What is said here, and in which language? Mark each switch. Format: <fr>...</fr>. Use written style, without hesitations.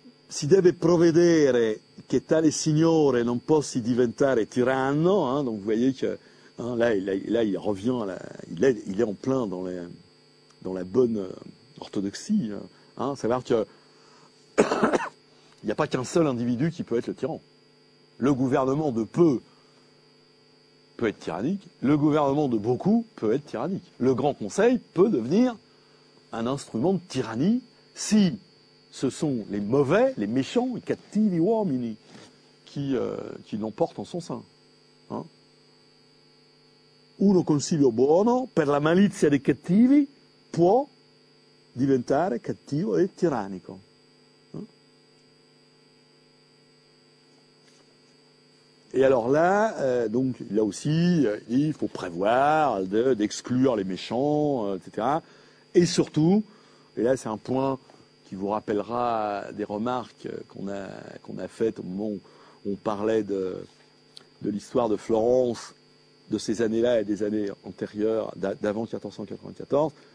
<it>Si deve provvedere che tale signore non possa diventare tiranno.</it> <fr>Hein, donc, vous voyez que hein, là, il revient. Là, il est en plein dans les... dans la bonne orthodoxie, hein, savoir que il n'y a pas qu'un seul individu qui peut être le tyran. Le gouvernement de peu peut être tyrannique, le gouvernement de beaucoup peut être tyrannique. Le Grand Conseil peut devenir un instrument de tyrannie si ce sont les mauvais, les méchants, les</fr> <it>cattivi uomini</it> <fr>qui l'emportent en son sein. Hein.</fr> <it>Uno consiglio buono per la malizia dei cattivi può diventare cattivo e tirannico.</it> <fr>Et alors là, donc là aussi, il faut prévoir d'exclure les méchants, etc. Et surtout, et là c'est un point qui vous rappellera des remarques qu'on a faites au moment où on parlait de l'histoire de Florence, de ces années-là et des années antérieures, d'avant 1494.</fr>